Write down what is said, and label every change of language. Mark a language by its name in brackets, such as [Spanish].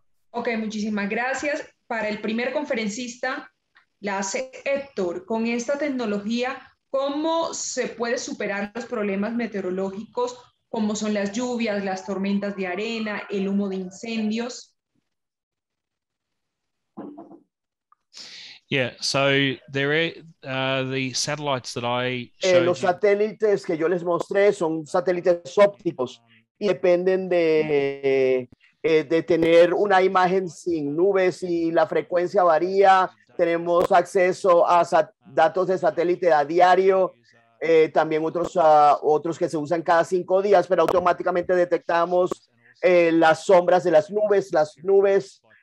[Spanish] Ok, muchísimas gracias. Para el primer conferencista, la hace Héctor. Con esta tecnología, ¿cómo se puede superar los problemas meteorológicos como son las lluvias, las tormentas de arena, el humo de incendios? [English] Yeah, so there are the satellites that I showed. [Spanish] Los satélites que yo les mostré son satélites ópticos y dependen de tener una imagen sin nubes y la frecuencia varía. Tenemos acceso a datos de satélite a diario, también otros que se usan cada 5 días, pero automáticamente detectamos las sombras de las nubes.